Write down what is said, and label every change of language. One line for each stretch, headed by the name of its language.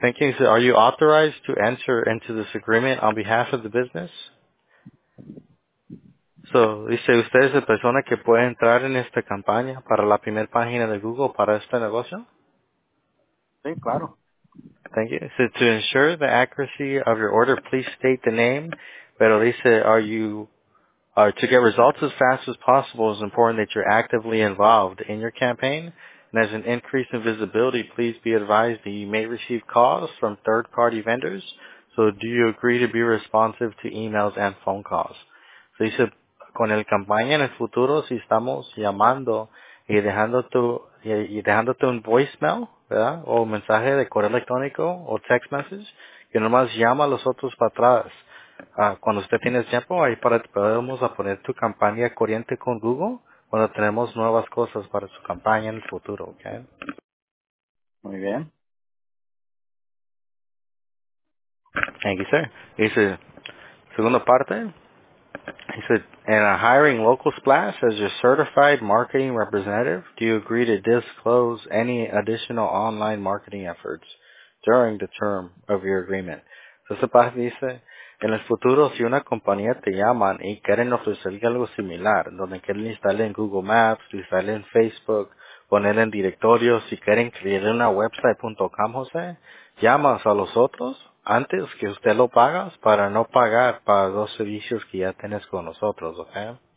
English: Thank you. He said, are you authorized to enter into this agreement on behalf of the business?
Spanish: So, dice, ¿usted es la persona que puede entrar en esta campaña para la primer página de Google para este negocio? Sí, claro.
English: Thank you. So, to ensure the accuracy of your order, please state the name.
Spanish: Pero dice,
English: to get results as fast as possible, it's important that you're actively involved in your campaign. And as an increase in visibility, please be advised that you may receive calls from third-party vendors. So, do you agree to be responsive to emails and phone calls?
Spanish: So, dice, con el campaña en el futuro, si estamos llamando y dejándote un voicemail, ¿verdad? O un mensaje de correo electrónico o text message, que nomás llama a los otros para atrás. Cuando usted tiene tiempo, ahí podemos poner tu campaña corriente con Google cuando tenemos nuevas cosas para su campaña en el futuro, ¿ok? Muy bien.
English: Thank you, sir.
Spanish: Dice, segunda parte.
English: He said, and a hiring local splash as your certified marketing representative, do you agree to disclose any additional online marketing efforts during the term of your agreement?
Spanish: So, Splash dice, en el futuro, si una compañía te llaman y quieren ofrecerle algo similar, donde quieren instalar en Google Maps, instalar en Facebook, poner en directorio, si quieren crear una website.com, José, llamas a los otros antes que usted lo pagas para no pagar para dos servicios que ya tienes con nosotros, ¿ok?